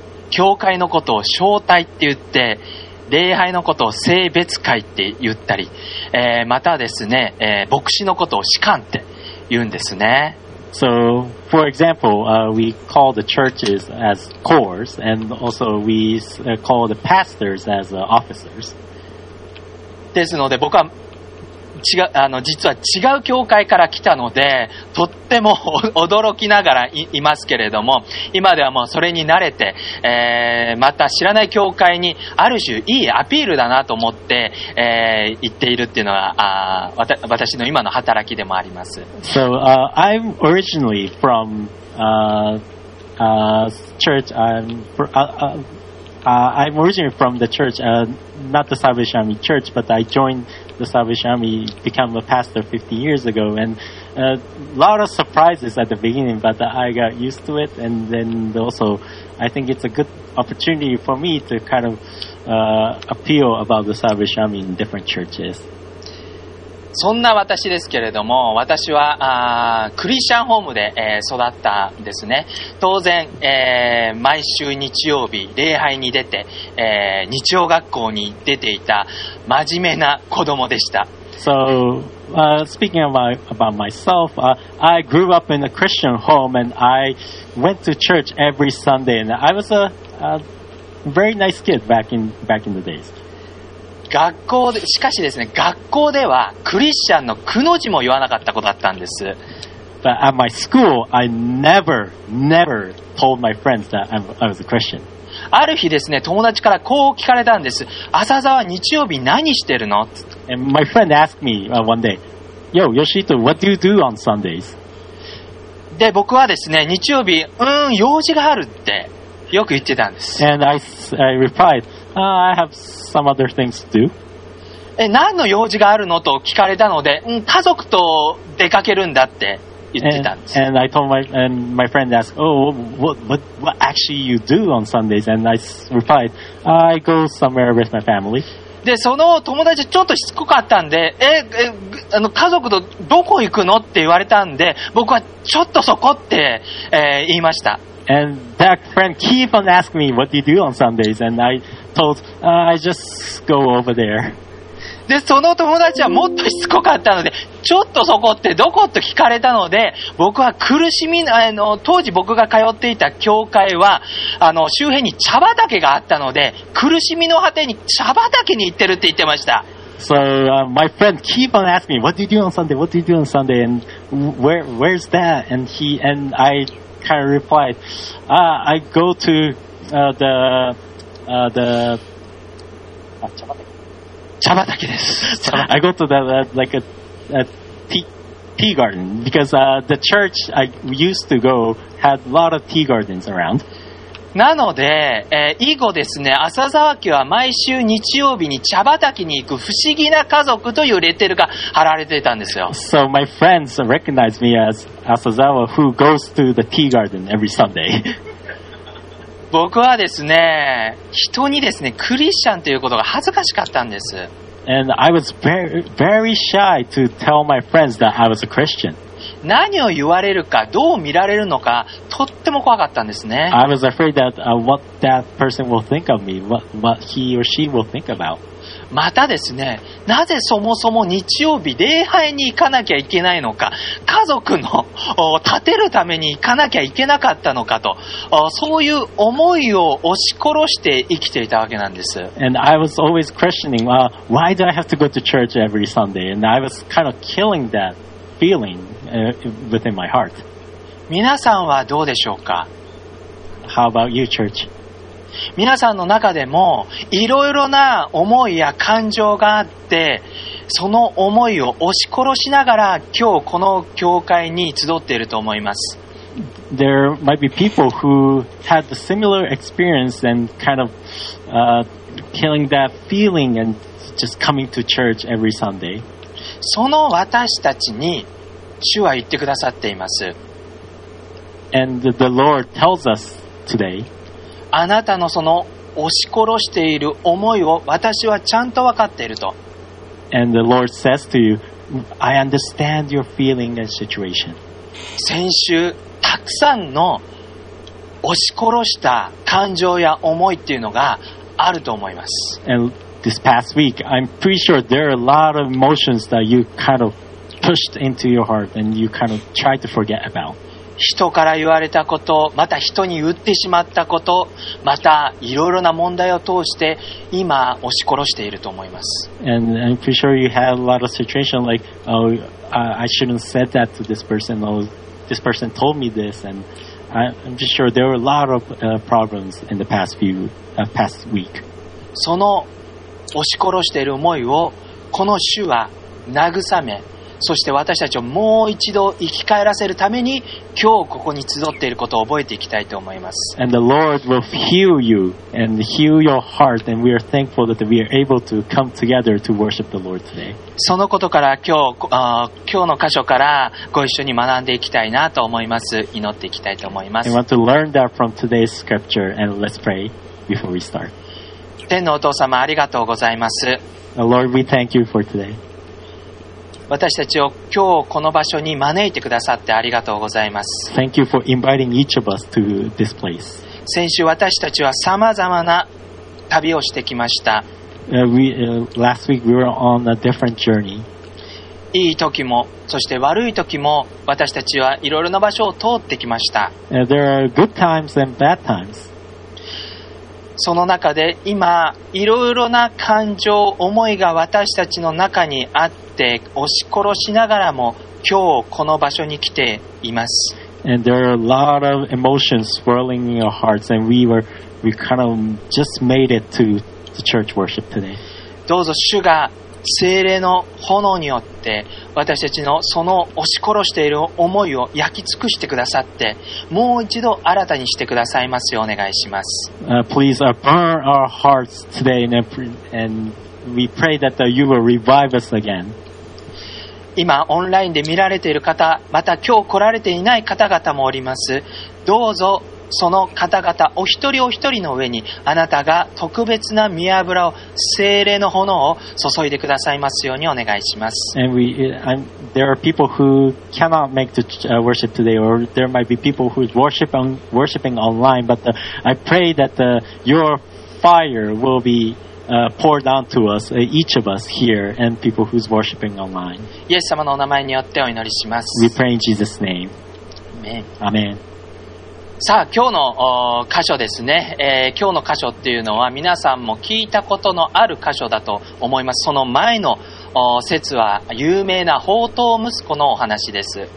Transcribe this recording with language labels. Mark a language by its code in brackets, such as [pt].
[ja] 教会のことを小隊って言って、礼拝のことを聖別会って言ったり、またですね、牧師のことを士官って言うんですね。 [en] So, for example, we call the churches as cores, and also we call the pastors as officers. [ja] ですので、僕は実は違う教会から来たのでとっても驚きながら いますけれども、今ではもうそれに慣れて、また知らない教会にある種いいアピールだなと思って、言っているっていうのは私の今の働きでもあります。 [en] So, I'm originally from church I'm originally from the church, not the Salvation Army Church, but I joined the Salvation Army, became a pastor 50 years ago, and a lot of surprises at the beginning, but I got used to it, and then also I think it's a good opportunity for me to kind of appeal about the Salvation Army in different churches. [ja] そんな私ですけれども、私はクリスチャンホームで、育ったんですね。当然、毎週日曜日礼拝に出て、日曜学校に出ていた真面目な子供でした。 [en] So, speaking about myself, I grew up in a Christian home and I went to church every Sunday and I was a very nice kid back in the days. [ja] 学校で、しかしですね、学校ではクリスチャンのくの字も言わなかった子だったんです。 [en] But at my school, I never, never told my friends that I was a Christian. [ja] ある日ですね、友達からこう聞かれたんです。朝沢、日曜日何してるの？ [en] And my friend asked me one day, Yo, Yoshito, what do you do on Sundays? [ja] で、僕はですね、日曜日、用事があるってよく言ってたんです。 [en] And I replied,I have some other things to do. [ja] 何の用事があるのと聞かれたので、家族と出かけるんだって言ってたんです。 [en] And my friend asked, Oh, what actually you do on Sundays? And I replied, I go somewhere with my family. [ja] で、その友達ちょっとしつこかったんで、家族とどこ行くのって言われたんで、僕はちょっとそこって、言いました。 [en] And that friend keep on asking me what do you do on Sundays, and I told, I just go over there. [ja] で、その友達はもっとしつこかったので、ちょっとそこってどこと聞かれたので、僕は苦しみ、当時僕が通っていた教会は、周辺に茶畑があったので、苦しみの果てに茶畑に行ってるって言ってました。 [en] So, my friend keep on asking me, what do you do on Sunday? What do you do on Sunday? And where's that? And he, and I,kind of replied, I go to I go to tea garden because the church I used to go had a lot of tea gardens around. [ja] なので、以後ですね、浅沢家は毎週日曜日に茶畑に行く不思議な家族というレッテルが貼られていたんですよ。 [en] So my friends recognize me as Asazawa who goes to the tea garden every Sunday. [ja] 僕はですね、人にですね、クリスチャンということが恥ずかしかったんです。 [en] And I was very, very shy to tell my friends that I was a Christian. [ja] 何を言われるかどう見られるのかとっても怖かったんですね。 [en] I was afraid that what that person will think of me, what he or she will think about. [ja] またですね、なぜそもそも日曜日礼拝に行かなきゃいけないのか、家族の立てるために行かなきゃいけなかったのかと、そういう思いを押し殺して生きていたわけなんです。 [en] And I was always questioning, why do I have to go to church every Sunday? And I was kind of killing that. Feeling, within my heart. [ja] 皆さんはどうでしょうか? [en] How about you, church? [ja] 皆さんの中でもいろいろな思いや感情があって、その思いを押し殺しながら今日この教会に集っていると思います。 [en] There might be people who had the similar experience and kind of killing that feeling and just coming to church every Sunday. [ja] その私たちに主は言ってくださっています。 [en] And the Lord tells us today, [ja] あなたのその押し殺している思いを私はちゃんと分かっていると。 [en] And the Lord says to you, I understand your feeling and situation. [ja] 先週たくさんの押し殺した感情や思いっていうのがあると思います。 [en] And This past week, I'm pretty sure there are a lot of emotions that you kind of pushed into your heart and you kind of try to forget about. [ja] 人から言われたこと、また人に言ってしまったこと、またいろいろな問題を通して今押し殺していると思います。 [en] And I'm pretty sure you had a lot of situation like, oh, I shouldn't have said that to this person. Oh, this person told me this. And I'm pretty sure there were a lot of problems in the past week. [ja] その押し殺している思いをこの主は慰め、そして私たちをもう一度生き返らせるために今日ここに集っていることを覚えていきたいと思います。 [en] And the Lord will heal you and heal your heart, and we are thankful that we are able to come together to worship the Lord today. [ja] そのことから今日の箇所からご一緒に学んでいきたいなと思います。祈っていきたいと思います。 [en] We want to learn that from today's scripture, and let's pray before we start. [ja] 天のお父様、ありがとうございます。 [en] Lord, we thank you for today. [ja] 私たちを今日この場所に招いてくださってありがとうございます。 [en] Thank you for inviting each of us to this place. [ja] 先週私たちは様々な旅をしてきました。 [en] Last week we were on a different journey. [ja] いい時もそして悪い時も私たちはいろいろな場所を通ってきました。 [en] There are good times and bad times. [ja] その中で今いろいろな感情思いが私たちの中にあって押し殺しながらも今日この場所に来ています。 [en] And there are a lot of emotions swirling in our hearts, and we kind of just made it to the church worship today. [ja] どうぞ主が聖霊の炎によって私たちのその押し殺している思いを焼き尽くしてくださって、もう一度新たにしてくださいますようお願いします。 [en] Please burn our hearts today andWe pray that you will revive us again. [ja] 今オンラインで見られている方、また今日来られていない方々もおります。どうぞその方々お一人お一人の上にあなたが特別な御油を、聖霊の炎を注いでくださいますようにお願いします。 [en] And there are people who cannot make the worship today, or there might be people who worshiping online, but I pray that your fire will bepoured onto us, each of us here, and people who's worshiping online. [ja] イエス様のお名前によってお祈りします。 [en] We pray in Jesus' name. Amen. Amen. [ja] さあ、今日の箇所ですね。今日の箇所っていうのは皆さんも聞いたことのある箇所だと思います。その前の説は有名な放蕩息子のお話です。